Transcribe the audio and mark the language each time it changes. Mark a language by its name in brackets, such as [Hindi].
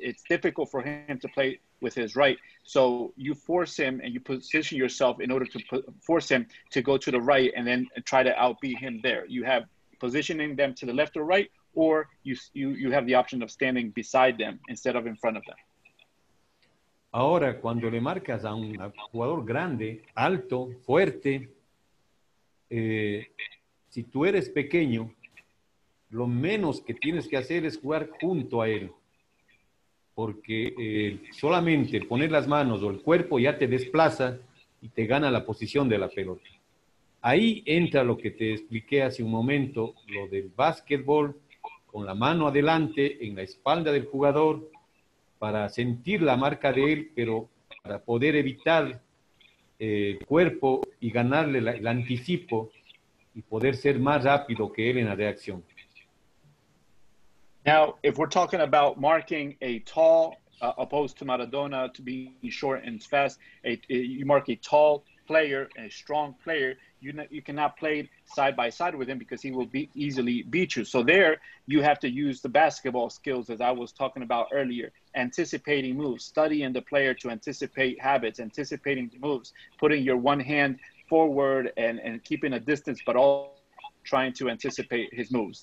[English] It's difficult for him to play with his right. So you force him and you position yourself in order to force him to go to the right and then try to outbeat him there. You have positioning them to the left or right, or you have the option of standing beside them instead of in front of them. [Spanish] Ahora, cuando le marcas a un jugador grande, alto, fuerte, si tú eres pequeño, lo menos que tienes que hacer es jugar junto a él. Porque solamente poner las manos o el cuerpo ya te desplaza y te gana la posición de la pelota. Ahí entra lo que te expliqué hace un momento, lo del básquetbol, con la mano adelante en la espalda del jugador, para sentir la marca de él, pero para poder evitar el cuerpo y ganarle el anticipo y poder ser más rápido que él en la reacción. [English] Now, if we're talking about marking a tall, opposed to Maradona, to be short and fast, you mark a tall player, a strong player, you cannot play side by side with him because he will be easily beat you. So there, you have to use the basketball skills, as I was talking about earlier, anticipating moves, studying the player to anticipate habits, anticipating moves, putting your one hand forward and keeping a distance, but all trying to anticipate his moves.